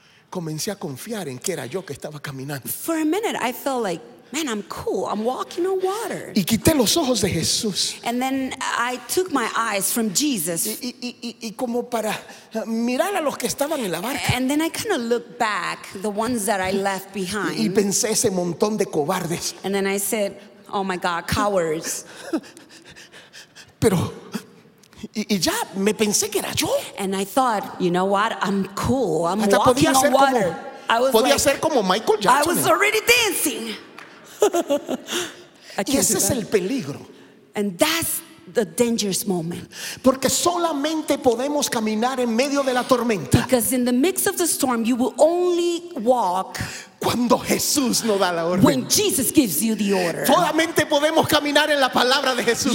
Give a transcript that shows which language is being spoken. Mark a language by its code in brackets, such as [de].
[es] Comencé a confiar en que era yo que estaba caminando. [en] For a minute, I felt like, man, I'm cool. I'm walking on water. [es] Y quité los ojos de Jesús. [en] And then I took my eyes from Jesus. [es] Y como para mirar a los que estaban en la barca. [en] And then I kind of looked back, the ones that I left behind. [es] Y pensé ese montón de cobardes. [en] And then I said, oh my God, cowards. [es] Pero y ya me pensé que era yo. [en] And I thought, you know what? I'm cool. I'm [es] hasta [en] walking on water. [es] Como, [en] I was [es] podía [en] like, [es] ser como Michael Jackson. [en] I was already dancing. [es] Y ese es el peligro. [en] And that's the dangerous moment. [es] Porque solamente podemos caminar en medio de la tormenta. [en] Because in the mix of the storm, you will only walk [es] cuando Jesús nos da la orden. [en] When Jesus gives you the order. [es] Solamente podemos caminar en la palabra de Jesús.